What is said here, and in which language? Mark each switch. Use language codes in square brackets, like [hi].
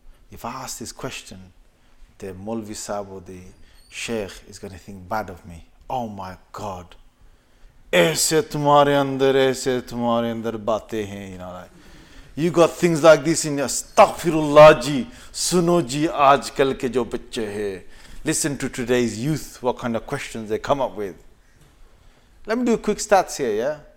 [en] If I ask this question, the Mulvi Sahib or the Sheikh is going to think bad of me. Oh my God. You got things like this in your astaghfirullah ji. [ur] سنو جی آج کل کے جو بچے ہے۔ [en] Listen to today's youth, what kind of questions they come up with. Let me do a quick stats here, yeah?